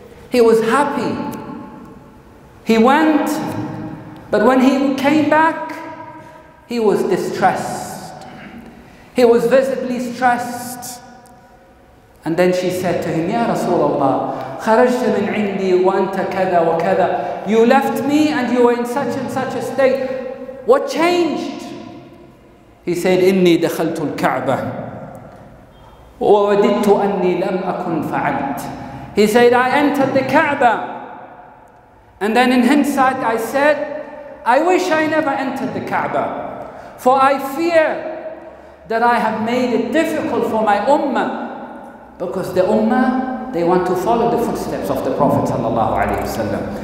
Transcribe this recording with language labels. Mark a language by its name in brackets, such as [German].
[English] He was happy. He went, but when he came back, he was distressed. He was visibly stressed. And then she said to him, Ya Rasulullah, [Arabic] خَرَجْتَ مِنْ عِنْدِي وَأَنْتَ كَذَا وَكَذَا. [English] You left me and you were in such and such a state. What changed? He said, [Arabic] إِنِّي دَخَلْتُ الْكَعْبَةِ وَوَدِدْتُ أَنِّي لَمْ أَكُنْ فَعَلْتِ. [English] He said, I entered the Kaaba. And then in hindsight I said, I wish I never entered the Kaaba. For I fear that I have made it difficult for my ummah. Because the ummah, they want to follow the footsteps of the Prophet sallallahu alaihi wasallam.